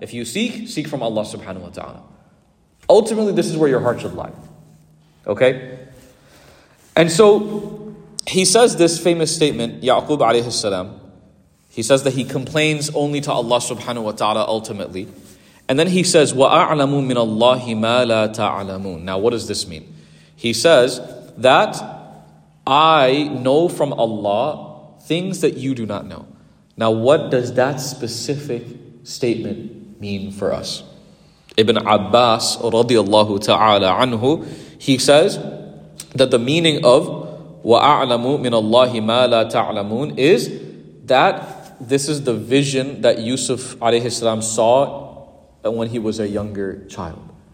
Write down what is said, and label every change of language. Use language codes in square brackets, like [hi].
[en] If you seek, seek from Allah subhanahu wa ta'ala. Ultimately, this is where your heart should lie. Okay? And so, he says this famous statement, Ya'qub alayhi salam. He says that he complains only to Allah subhanahu wa ta'ala ultimately. And then he says, [ar] وَأَعْلَمُ مِنَ اللَّهِ مَا لَا تَعْلَمُونَ. [en] Now what does this mean? He says that I know from Allah things that you do not know. Now what does that specific statement mean for us? Ibn Abbas radiallahu ta'ala anhu, he says that the meaning of [ar] وَأَعْلَمُ مِنَ اللَّهِ مَا لَا تَعْلَمُونَ [en] is that this is the vision that Yusuf alayhi salam saw when he was a younger child.